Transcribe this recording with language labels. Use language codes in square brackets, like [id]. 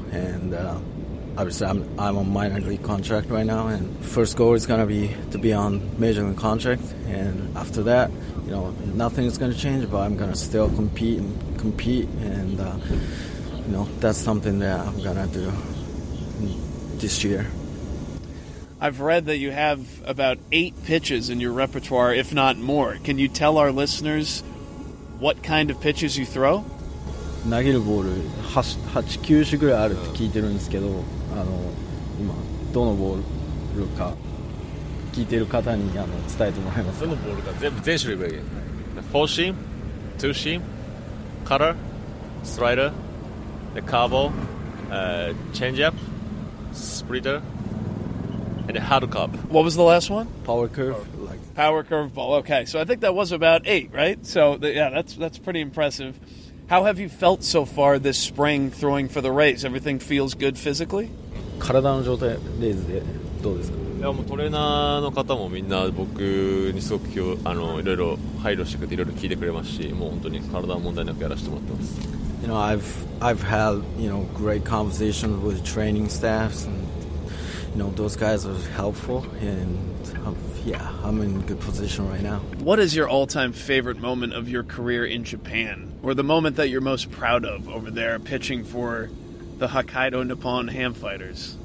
[en] And obviously I'm on minor league contract right now, and first goal is going to be to be on major league contract, and after that, you know, nothing is going to change, but I'm going to still compete, and you know, that's something that I'm going to do this year. I've read that you have about 8 pitches in your repertoire, if not more. Can you tell our listeners what kind of pitches you throw? [ja] 投げるボール8球種ぐらいあるって聞いてるんですけど、あの今どのボールか聞いてる方にあの伝えてもらいます。どのボールか全部全種類ぐらい。フォーシーム、ツーシーム、カッター、スライダー、でカーボ、チェンジアップ、スプリッター、でハードカーブ。 [en] What was the last one? Power curve. Power curve ball. Okay, so I think that was about 8, right? So yeah, that's pretty impressive. How have you felt so far this spring throwing for the Rays? Everything feels good physically? [ja] 体の状態レイズでどうですか？いや、もうトレーナーの方もみんな僕にすごくあのいろいろ配慮してくれて、いろいろ聞いてくれますし、もう本当に体は問題なくやらせてもらってます。 [en] You know, I've had, you know, great conversations with training staffs, and you know, those guys are helpful, and yeah, I'm in good position right now. What is your all-time favorite moment of your career in Japan, or the moment that you're most proud of over there pitching for the Hokkaido Nippon Ham Fighters?